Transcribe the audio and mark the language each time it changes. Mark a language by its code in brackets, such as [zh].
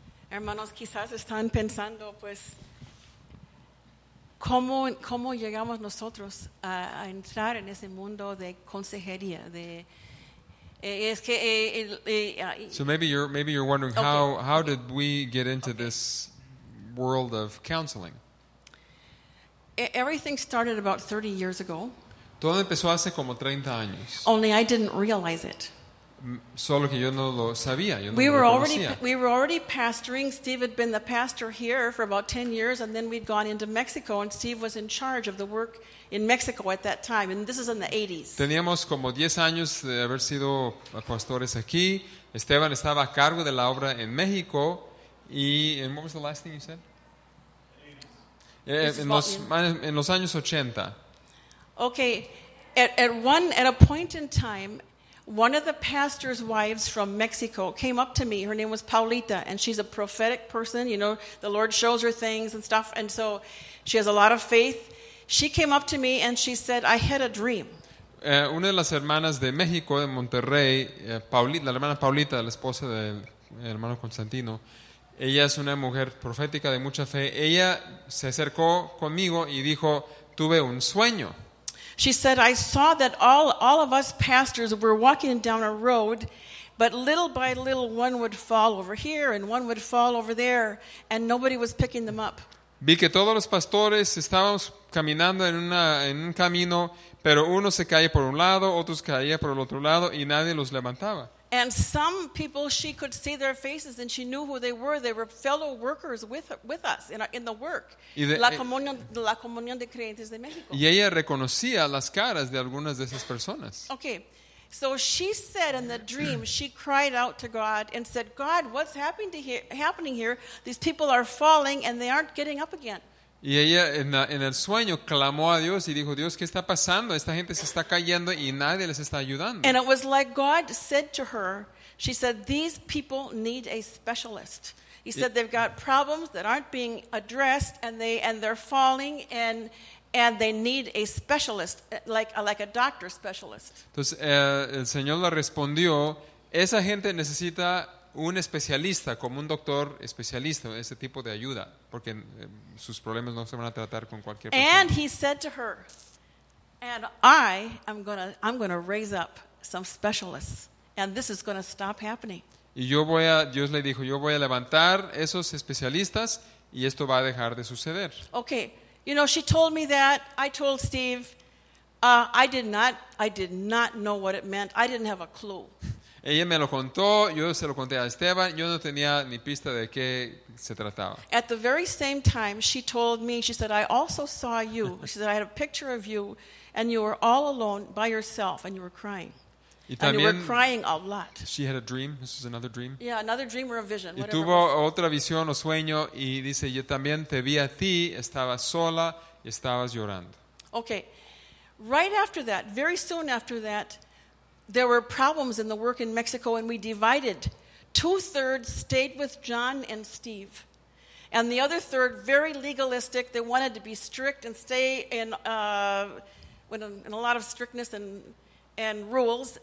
[es] Hermanos, quizás están pensando, pues, ¿cómo llegamos nosotros a entrar en ese mundo de consejería, de... [en] So maybe you're wondering, okay, how did we get into this world of counseling? Everything started about 30 years ago. [es] Todo empezó hace como 30 años. [en] Only I didn't realize it. [es] solo que yo no lo sabía, yo no [en] we [es] lo [en] were [es] lo [en] already we were already pastoring. Steve had been the pastor here for about 10 years, and then we'd gone into Mexico, and Steve was in charge of the work in Mexico at that time, and this is in the 80s. [es] Teníamos como 10 años de haber sido pastores aquí. Esteban estaba a cargo de la obra en México. [en] Y and what was the last thing you said? [es] En los años 80. [en] Okay. At a point in time, one of the pastor's wives from Mexico came up to me. Her name was Paulita, and she's a prophetic person. You know, the Lord shows her things and stuff, and so she has a lot of faith. She came up to me, and she said, I had a dream. [es] Una de las hermanas de México, de Monterrey, Paulita, la hermana Paulita, la esposa del hermano Constantino, ella es una mujer profética de mucha fe. Ella se acercó conmigo y dijo, tuve un sueño. [en] She said, I saw that all of us pastors were walking down a road, but little by little, one would fall over here and one would fall over there, and nobody was picking them up. [es] Vi que todos los pastores estábamos caminando en un camino, pero uno se caía por un lado, otros caía por el otro lado, y nadie los levantaba. [en] And some people, she could see their faces, and she knew who they were. They were fellow workers with us in the work. [es] La comunión de creyentes de México. Y ella reconocía las caras de algunas de esas personas. [en] Okay, so she said in the dream, she cried out to God and said, God, what's happening here? These people are falling, and they aren't getting up again. [es] Y ella en el sueño clamó a Dios y dijo, Dios, ¿qué está pasando? Esta gente se está cayendo y nadie les está ayudando. [en] And it was like God said to her, she said, these people need a specialist. He said, they've got problems that aren't being addressed, and they're falling, and they need a specialist, like a doctor specialist. [es] Entonces el Señor le respondió, esa gente necesita un especialista, como un doctor especialista, ese tipo de ayuda, porque sus problemas no se van a tratar con cualquier persona. [en] And he said to her, and I am going to raise up some specialists, and this is going to stop happening. [es] Y yo voy a, Dios le dijo, yo voy a levantar esos especialistas y esto va a dejar de suceder. [en] Okay, you know, she told me that. I told Steve, I did not know what it meant. I didn't have a clue. [es] Ella me lo contó, yo se lo conté a Esteban, yo no tenía ni pista de qué se trataba. [en] At the very same time, she told me, she said, I also saw you. She said, I had a picture of you, and you were all alone by yourself, and you were crying. [es] Y también, [en] and you were crying a lot. She had a dream, this is another dream. Yeah, another dream or a vision, whatever. [es] Y tuvo otra visión o sueño, y dice, yo también te vi a ti, estabas sola, y estabas llorando. [en] Okay, right after that, very soon after that, there were problems in the work in Mexico, and we divided. 2/3 stayed with John and Steve. And the other third, very legalistic, they wanted to be strict and stay in a lot of strictness and rules.